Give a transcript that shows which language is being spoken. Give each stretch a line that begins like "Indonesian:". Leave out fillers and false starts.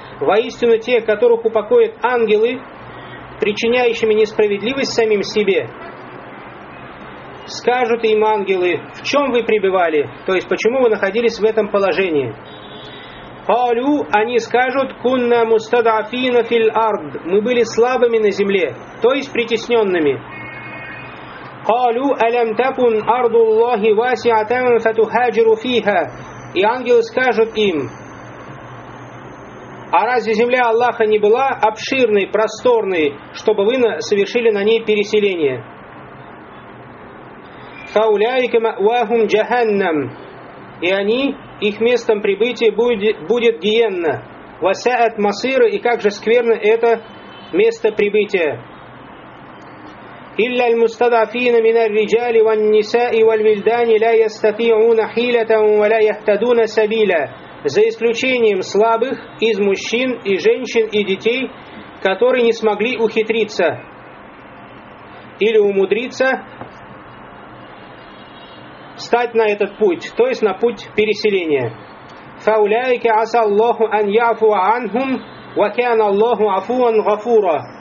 Russian: Воистину те, которых упокоят ангелы, причиняющими несправедливость самим себе, скажут им ангелы, в чем вы пребывали, то есть почему вы находились в этом положении.
Arabic: «Калю»,
Russian: они скажут,
Arabic: «Кунна мустадафина филь ард»,
Russian: мы были слабыми на земле, то есть притесненными.
Arabic: قالوا ألم تكن أرض الله واسعة فتهاجروا فيها.
Russian: И ангелы скажут им, а разве земля Аллаха не была обширной, просторной, чтобы вы совершили на ней переселение?
Arabic: فأولئك مأواهم جهنم.
Russian: И они, их местом прибытия будет гиенна.
Arabic: وساءت مصيرا.
Russian: И как же скверно это место прибытия.
Arabic: إلا المستضعفين من الرجال والنساء والولدان لا يستطيعون حيلة ولا يهتدون سبيلا.
Russian: За исключением слабых из мужчин и женщин и детей, которые не смогли ухитриться или умудриться встать на этот путь, то есть на путь переселения.
Arabic: فَأُولَٰئِكَ عَسَى اللَّهُ أَنْ يَعْفُوَ عَنْهُمْ وَكَانَ اللَّهُ عَفُوًا غَفُورًا.